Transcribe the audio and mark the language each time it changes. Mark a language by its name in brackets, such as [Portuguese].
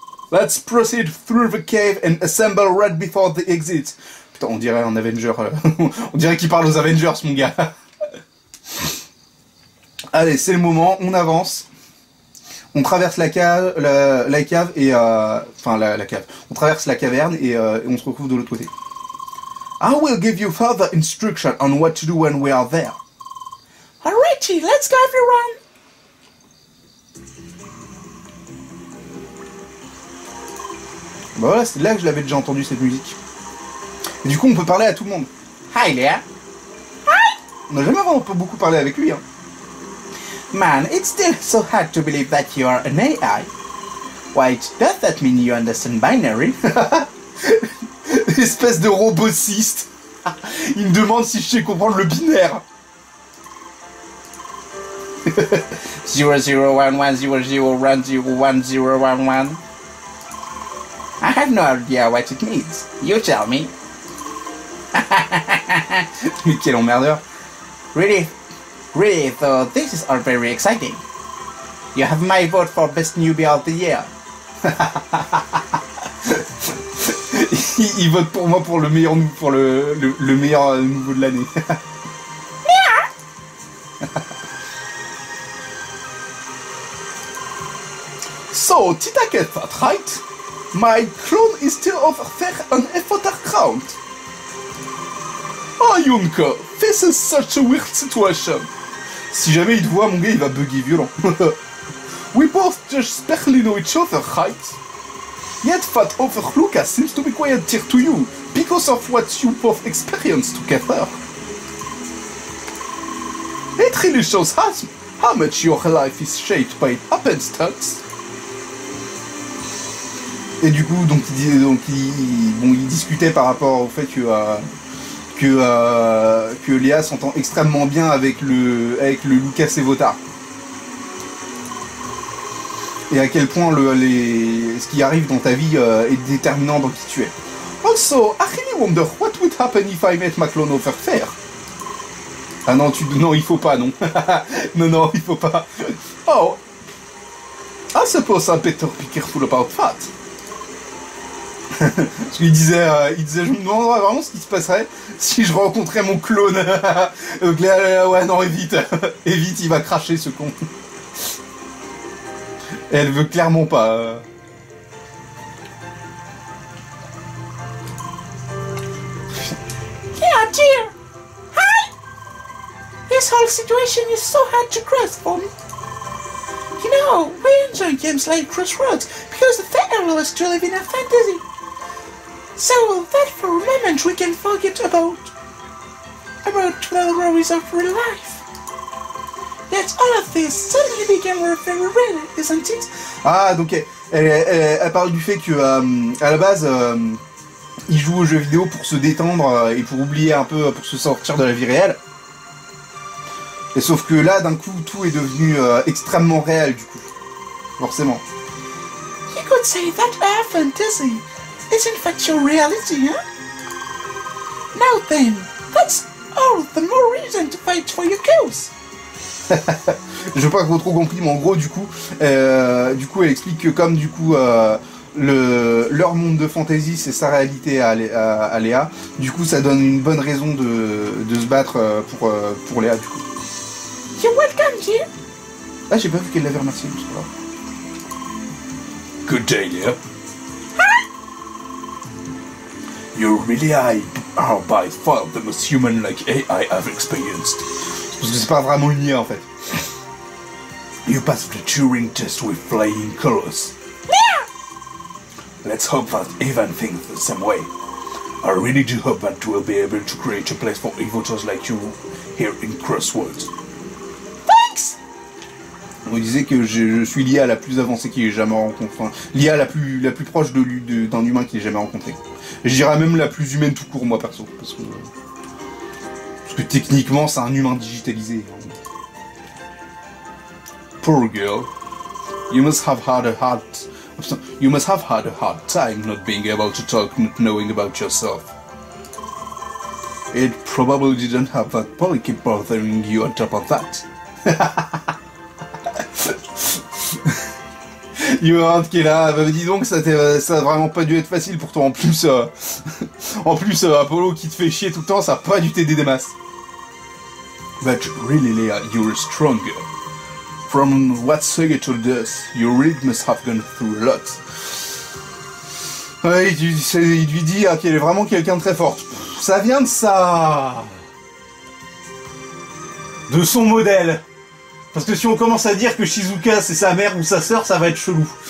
[English] Let's proceed through the cave and assemble right before the exit. [French] Putain, on dirait un Avenger. On dirait qu'il parle aux Avengers, mon gars. Allez, c'est le moment. On avance. On traverse la caverne et on se retrouve de l'autre côté. [English] I will give you further instruction on what to do when we are there. Alrighty, let's go, everyone. [French] Bah voilà, c'est là que je l'avais déjà entendu cette musique. Et du coup, on peut parler à tout le monde. [English] Hi, Leia. Hi. [French] On n'a jamais vraiment beaucoup parlé avec lui, hein. [English] Man, it's still so hard to believe that you are an AI. Wait, does that mean you understand binary? [French] Espèce de robotiste. Il me demande si je sais comprendre le binaire. 00110010011. [English] I have no idea what it means. You tell me. [French] Mais quel emmerdeur. [English] Really? Really, though, this is all very exciting. You have my vote for best newbie of the year. [French] Il vote pour moi pour le meilleur nouveau de l'année. [English] So, Tita gets that, right? My crown is still over there on Effortar Crown. Oh Yunko, this is such a weird situation. [French] Si jamais il te voit, mon gars, il va bugger violent. [English] We both just barely know each other, right? Yet that overlooker seems to be quite dear to you, because of what you both experienced together. It really shows how much your life is shaped by happenstance. [French] Et du coup, ils discutaient par rapport au fait que Léa s'entend extrêmement bien avec le Lucas et Votar. Et à quel point ce qui arrive dans ta vie est déterminant dans qui tu es. [English] Also, I really wonder what would happen if I met McClone over there. [French] Ah non, il faut pas, non. non, il faut pas. [English] Oh, I suppose I better be careful about that. [French] Parce qu'il disait, je me demanderais vraiment ce qui se passerait si je rencontrais mon clone. Donc là, ouais, non, évite. Évite, il va cracher ce con. Elle veut clairement pas. [English] Yeah, dear. Hi. This whole situation is so hard to grasp for me. You know, we enjoy games like Crossroads because they allow us to live in a fantasy. So that for a moment we can forget about the worries of real life. Yet all of this suddenly became very real, isn't it? [French] Ah, donc elle parle du fait que à la base il joue aux jeux vidéo pour se détendre et pour oublier un peu, pour se sortir de la vie réelle. Et sauf que là, d'un coup, tout est devenu extrêmement réel, du coup. Forcément. [English] You could say that our fantasy is in fact your reality, hein? Now then, that's all the more reason to fight for your cause. [French] Je veux pas avoir trop compris, mais en gros, du coup, elle explique que comme, du coup, leur monde de fantasy, c'est sa réalité à Léa, du coup, ça donne une bonne raison de se battre pour Léa, du coup. [English] You're welcome, dear. [French] Ah, j'ai pas vu qu'elle l'avait remercié, je sais pas. [English] Good day, dear. Huh? You really are by far the most human-like AI I've experienced. [French] Parce que c'est pas vraiment une IA, en fait. [English] You passed the Turing test with flying colors. Yeah! Let's hope that Evan thinks the same way. I really do hope that we'll be able to create a place for evoters like you here in Crossroads. [French] On disait que je suis l'IA la plus avancée qu'il ait jamais rencontré. L'IA la plus proche d'un humain qu'il ait jamais rencontré. Je dirais même la plus humaine tout court, moi, perso. Parce que techniquement, c'est un humain digitalisé. [English] Poor girl. You must have had a hard... You must have had a hard time not being able to talk, not knowing about yourself. It probably didn't have that polycap bothering you on top of that. [French] Il y a un qui est là, bah, dis donc, ça a vraiment pas dû être facile pour toi, en plus, Apollo qui te fait chier tout le temps, ça a pas dû t'aider des masses. [English] But really, Léa, you're stronger. From what Sega told us, your rig must have gone through a lot. [French] Ouais, il lui dit hein, qu'elle est vraiment quelqu'un de très forte. Ça vient de ça. De son modèle. Parce que si on commence à dire que Shizuka c'est sa mère ou sa sœur, ça va être chelou.